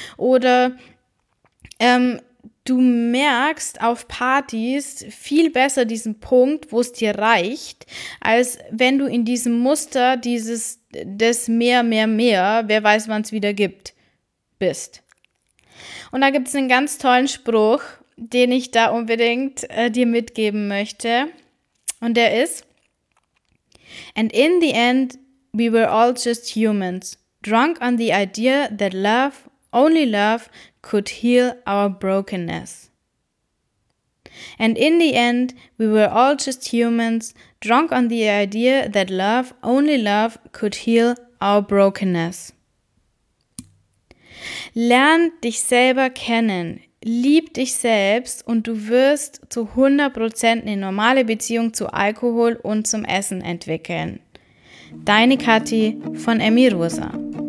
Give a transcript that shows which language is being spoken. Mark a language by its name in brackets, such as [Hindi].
[German] Oder du merkst auf Partys viel besser diesen Punkt, wo es dir reicht, als wenn du in diesem Muster des mehr, wer weiß, wann es wieder gibt, bist. Und da gibt es einen ganz tollen Spruch, den ich da unbedingt dir mitgeben möchte. Und der ist: [English] And in the end, we were all just humans, drunk on the idea that love, only love, could heal our brokenness. And in the end, we were all just humans, drunk on the idea that love, only love, could heal our brokenness. [German] Lern dich selber kennen, lieb dich selbst und du wirst zu 100% eine normale Beziehung zu Alkohol und zum Essen entwickeln. Deine Kathi von Emi Rosa.